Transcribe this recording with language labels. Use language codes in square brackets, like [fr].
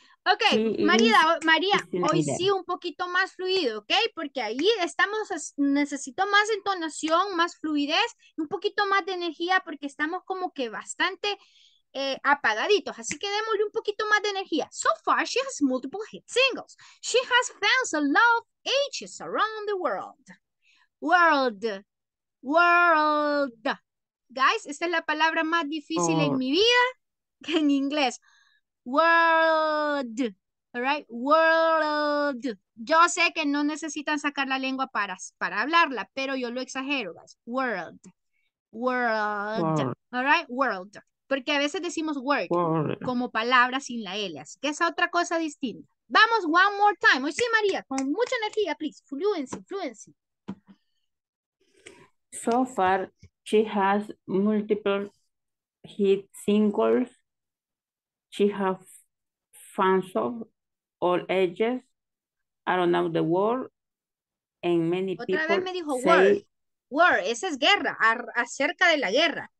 [es] Ok, María, hoy sí un poquito más fluido, ¿ok? Porque ahí estamos, necesito más entonación, más fluidez, un poquito más de energía porque estamos como que bastante apagaditos. Así que démosle un poquito más de energía. [en] So far, she has multiple hit singles. She has fans of love ages around the world. World. [es] Guys, esta es la palabra más difícil en mi vida que en inglés. [en] World, all right, world. [es] Yo sé que no necesitan sacar la lengua para hablarla, pero yo lo exagero, guys. [en] World, all right, world. [es] Porque a veces decimos word, como palabra sin la L, así que es otra cosa distinta. Vamos, [en] one more time. [es] Hoy sí, María, con mucha energía, [en] please. Fluency. So far, she has multiple hit singles. She has fans of all ages, around the world, and many [es] otra [en] people [es] otra vez me dijo war. War, esa es guerra, acerca de la guerra.